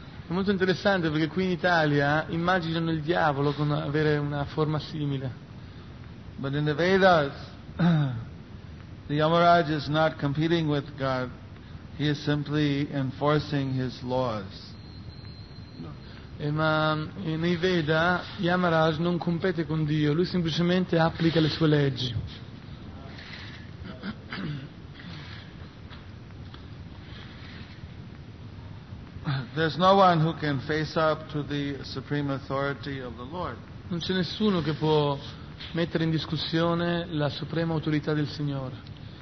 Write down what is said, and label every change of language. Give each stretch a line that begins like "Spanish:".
Italian: È molto interessante perché qui in Italia immaginano il diavolo con avere una forma simile.
English: But in the Vedas, the Yamaraj is not competing with God, he is simply enforcing his laws.
Italian: Ma nei Veda Yamaraj non compete con Dio, lui semplicemente applica le sue leggi.
English: There's no one who can face up to the supreme authority of the Lord.
Italian: Non c'è nessuno che può mettere in discussione la suprema autorità del Signore.